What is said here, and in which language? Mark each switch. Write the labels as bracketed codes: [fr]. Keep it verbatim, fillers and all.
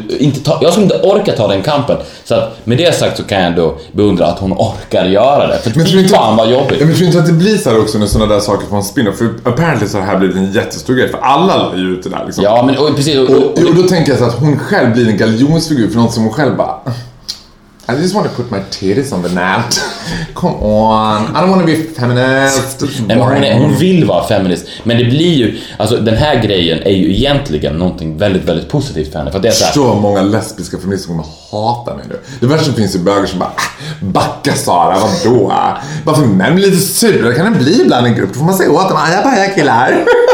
[sv] Inte ta, jag skulle inte orka ta den kampen. Så att med det sagt så kan jag ändå beundra att hon orkar göra det. För men tror inte, fan vad jobbigt. Men jag tror inte att det blir så här också när sådana där saker får en spinner. För apparently så har det här blivit en jättestor grej. För alla är ju ute där liksom. Ja, men och, precis. Och, och, och, och då tänker jag så att hon själv blir en galjonsfigur för någon som hon själv bara... [en] I just want to put my titties on the net. Come on, I don't want to be feminist. [sv] Nej, men hon, är, hon vill vara feminist. Men det blir ju, alltså den här grejen är ju egentligen någonting väldigt, väldigt positivt för henne. För det är så här, så många lesbiska feminister kommer hata mig nu. Det värsta finns ju böger som bara backa Sara, vadå? Bara för män blir lite sura, kan det bli ibland en grupp. Då får man säga åt dem, aja baja killar.